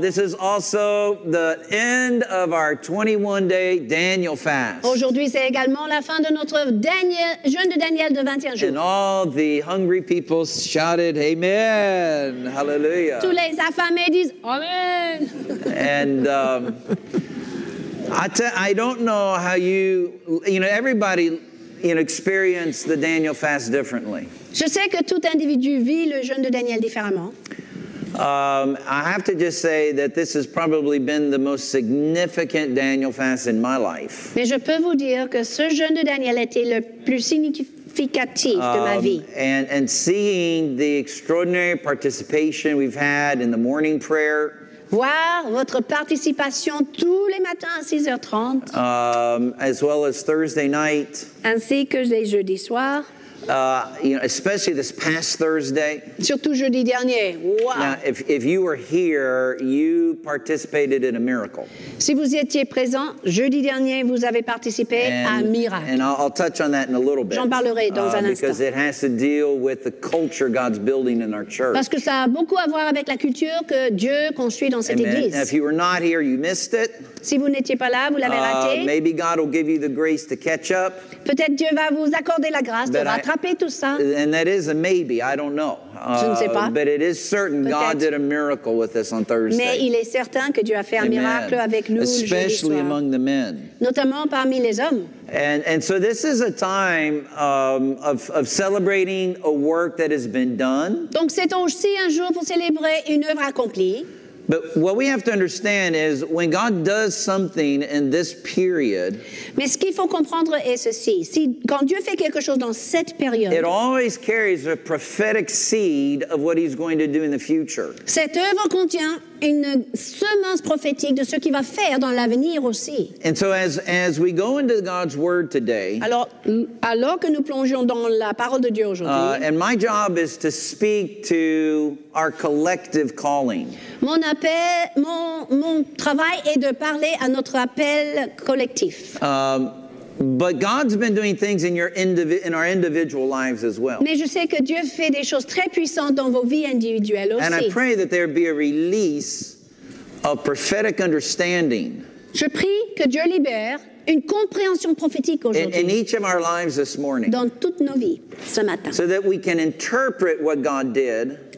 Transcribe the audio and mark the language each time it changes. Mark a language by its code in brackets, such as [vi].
[en] This is also the end of our 21-day Daniel fast. [fr] Aujourd'hui, c'est également la fin de notre jeûne de Daniel de 21 jours. [en] And all the hungry people shouted, Amen. Hallelujah. [fr] Tous les affamés disent, Amen. [en] And I don't know how you know, everybody, you know, experienced the Daniel fast differently. [fr] Je sais que tout individu vit le jeûne de Daniel différemment. [en] I have to just say that this has probably been the most significant Daniel fast in my life. [fr] Mais je peux vous dire que ce jeûne de Daniel était le plus significatif de ma vie. [en] And seeing the extraordinary participation we've had in the morning prayer. [fr] Voir votre participation tous les matins à 6h30. [en] As well as Thursday night. [fr] Ainsi que les jeudis soirs. [en] Especially this past Thursday. [fr] Surtout jeudi dernier. Wow. [en] Now, if you were here, you participated in a miracle. [fr] Si vous étiez présent jeudi dernier, vous avez participé à un miracle. [en] And I'll touch on that in a little bit. [fr] J'en parlerai dans un instant. [en] Because it has to deal with the culture God's building in our church. [fr] Parce que ça a beaucoup à voir avec la culture que Dieu construit dans cette Amen. Église. [en] Now, if you were not here, you missed it. [fr] Si vous n'étiez pas là, vous l'avez raté. [en] Maybe God will give you the grace to catch up. [fr] Peut-être Dieu va vous accorder la grâce de rattraper tout ça. [en] And that is a maybe, I don't know. [fr] Je ne sais pas. [en] But it is certain [fr] Peut-être. [en] God did a miracle with us on Thursday. [fr] Mais il est certain que Dieu a fait un miracle avec nous jeudi soir. [en] Especially among the men. [fr] Notamment parmi les hommes. [en] And so this is a time of celebrating a work that has been done. [fr] Donc c'est aussi un jour pour célébrer une œuvre accomplie. [en] But what we have to understand is when God does something in this period. [fr] Mais ce qu'il faut comprendre est ceci. Si, quand Dieu fait quelque chose dans cette période. [en] It always carries a prophetic seed of what he's going to do in the future. [fr] Cette œuvre contient une semence prophétique de ce qu'il va faire dans l'avenir aussi. [en] And so as we go into God's word today. [fr] Alors que nous plongeons dans la parole de Dieu aujourd'hui. [en] And my job is to speak to our collective calling. [fr] Mon appel, mon travail est de parler à notre appel collectif. [en] But God's been doing things in our individual lives as well. [fr] Mais je sais que Dieu fait des choses très puissantes dans vos vies individuelles aussi. [en] And I pray that there be a release of prophetic understanding. [fr] Je prie que Dieu libère une compréhension prophétique aujourd'hui. [en] In each of our lives this morning. [fr] Dans toutes nos vies ce matin. [en] So that we can interpret what God did.